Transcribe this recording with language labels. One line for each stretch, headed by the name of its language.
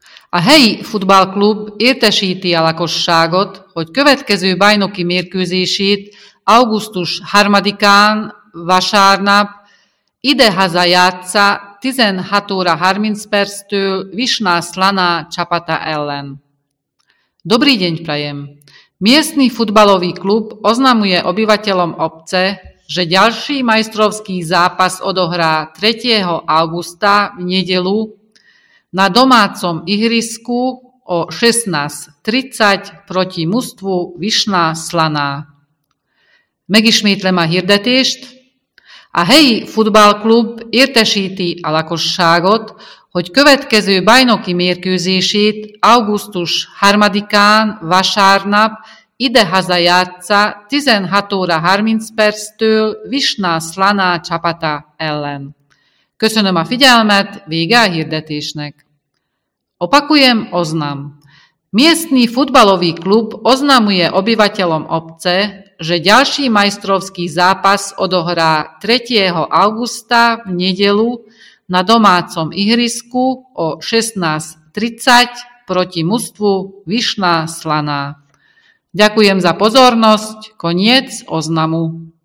Hungarian: A helyi futballklub értesíti a lakosságot, hogy következő bajnoki mérkőzését augusztus 3-án vasárnap idehaza játssza 16 óra 30 perctől Višná Slaná csapata ellen.
Slovak: Dobrý deň prajem! Miestny futbalový klub oznamuje obyvateľom obce, že ďalší majstrovský zápas odohrá 3. augusta v nedeľu na domácom ihrisku o 16:30 proti mužstvu Višná Slaná.
Hungarian: Megismétlem a hirdetést. A helyi futballklub értesíti a lakosságot, hogy következő bajnoki mérkőzését augusztus 3-án vasárnap idehaza játssza 16 óra 30 perctől Višná Slaná csapata ellen. Köszönöm a figyelmet, vége a hirdetésnek.
Slovak: Opakujem oznam. Miestny futbalový klub oznamuje obyvateľom obce, že ďalší majstrovský zápas odohrá 3. augusta v nedeľu na domácom ihrisku o 16:30 proti mužstvu Višná Slaná. Ďakujem za pozornosť. Koniec oznamu.